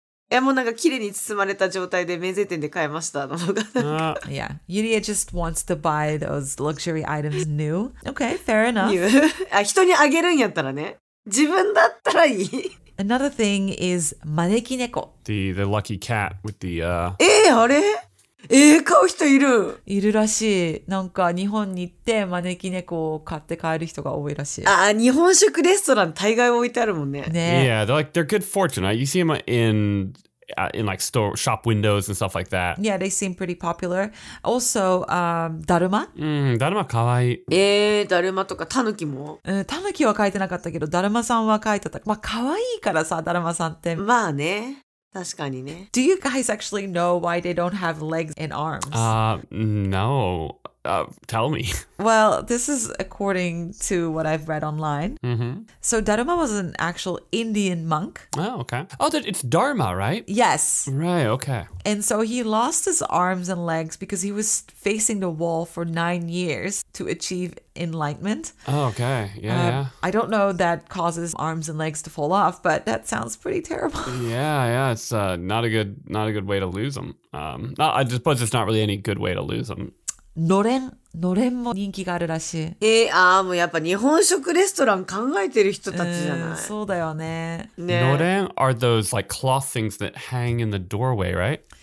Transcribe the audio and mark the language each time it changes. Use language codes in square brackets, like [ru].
[ja] え、もうなんか綺麗に包まれた状態で免税店で買いましたのが。 [en] Yeah, Yuria just wants to buy those luxury items new. Okay, fair enough. [ja] あ、人にあげるんやったらね。自分だったらいい。 [en] Another thing is 招き猫 the lucky cat with the [ja] あれ買う人いる。いるらしい。なんか日本に行って招き猫を買って帰る人が多いらしい。ああ、日本食レストラン大概置いてあるもんね。ね。 [en] Yeah, they're like they're good fortune. You see them in like store shop windows and stuff like that. Yeah, they seem pretty popular. Also, だるま? [ja] だるま かわいい。だるまとかたぬきも。たぬきは書いてなかったけど、だるまさんは書いてた。まあ、かわいいからさ、だるまさんって。まあね。確かにね。 [en] Do you guys actually know why they don't have legs and arms? No. Tell me. Well, this is according to what I've read online. Mm-hmm. So, Dharma was an actual Indian monk. Oh, okay. Oh, it's Dharma, right? Yes. Right, okay. And so, he lost his arms and legs because he was facing the wall for 9 years to achieve enlightenment. Oh, okay. Yeah, I don't know that causes arms and legs to fall off, but that sounds pretty terrible. Yeah, it's not a good way to lose them. I suppose it's not really any good way to lose them. [ja] のれんも人気があるらしい。もうやっぱ日本食レストラン考えてる人たちじゃない。そうだよね。 [en] のれん are those like cloth things that hang in the doorway, right?